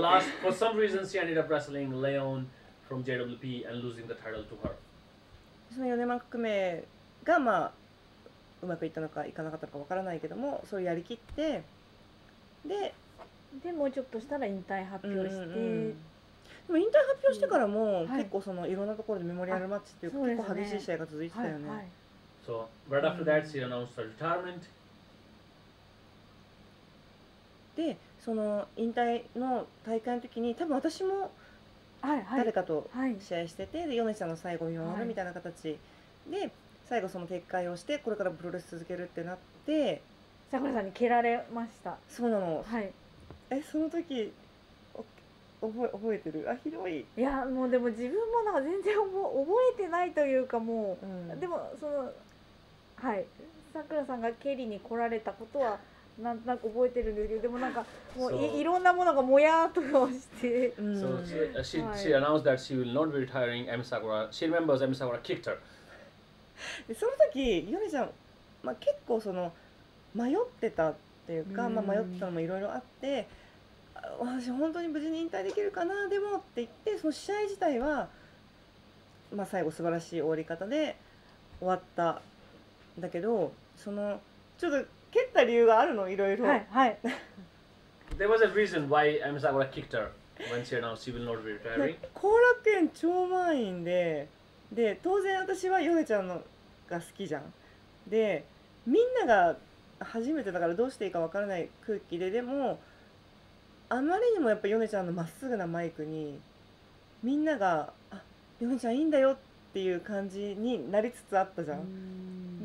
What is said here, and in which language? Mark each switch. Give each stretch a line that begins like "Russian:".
English: But the last, for some reason, she ended up wrestling Leon from JWP and losing the title to her.
Japanese: その米山革命がまあうまくいったのかいかなかったのかわからないけども、それをやりきって、で、でもうちょっとしたら引退発表して。うんうん、でも引退発表してからも結構そのいろんなところでメモリアルマッチっていう結構激しい試合が続いてたよね。
English: そう、ね、はいはい、so, right after that, she announced her retirement.
Japanese: で、その引退の大会の時に多分私も誰かと試合してて、はいはい、で、ヨネちゃんの最後を見守るみたいな形で、最後その撤回をして、これからプロレス続けるってなって、桜さんに蹴られました。そうなの。はい、え、その時、覚えてる。あ、ひどい。いや、もうでも自分もなんか全然覚えてないというかもう、うん、でもそのはい、さくらさんが蹴りに来られたことはなんとなく覚えてるんですけど、でもなんかもう いろんなものがもやっとして、
English: so she announced that she will not be retiring. M. Sakura, she remembers M. Sakura kicked her.
Japanese: で、その時ヨネちゃん、まあ、結構その迷ってたっていうか、うん、まあ、迷ったのもいろいろあって。私本当に無事に引退できるかな、でもって言って、その試合自体は、まあ、最後素晴らしい終わり方で終わったんだけど、そのちょっと蹴った理由があるの、いろいろ。はいはい。
English: There was a reason why M. Sakura kicked her when she announced she will not be retiring.
Japanese: 後楽園超満員で、で当然私はヨネちゃんのが好きじゃん。でみんなが初めてだからどうしていいか分からない空気で、でもあまりにもやっぱヨネちゃんのまっすぐなマイクにみんなが、あ、ヨネちゃんいいんだよっていう感じになりつつあったじゃん。